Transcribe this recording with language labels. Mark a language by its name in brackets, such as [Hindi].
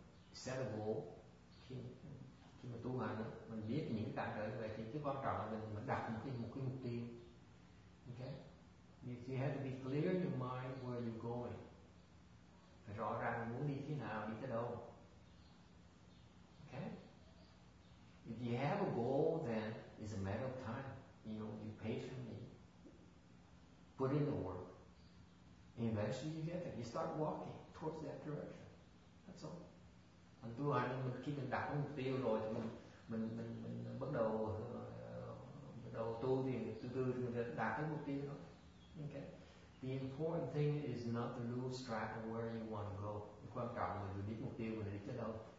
[Vietnamese] acceptable khi mà tu hành, mình biết những cái cản trở như vậy thì cái quan trọng là mình đặt một cái mục tiêu. [English] Okay, you have to be clear in your mind where you're going. [Vietnamese] Phải rõ ràng muốn đi thế nào, đi tới đâu. [English] Okay, if you have a goal, then it's a matter of time. You know, you patiently put in the work, and eventually you get there. You start walking towards that direction. That's all. [Vietnamese] Mình tu hành, khi mình đặt mục tiêu rồi thì mình bắt đầu tu thì từ từ mình đạt cái mục tiêu đó. [English] Okay. The important thing is not to lose track of where you want to go. [Vietnamese] Quan trọng là mình biết mục tiêu mình đi tới đâu.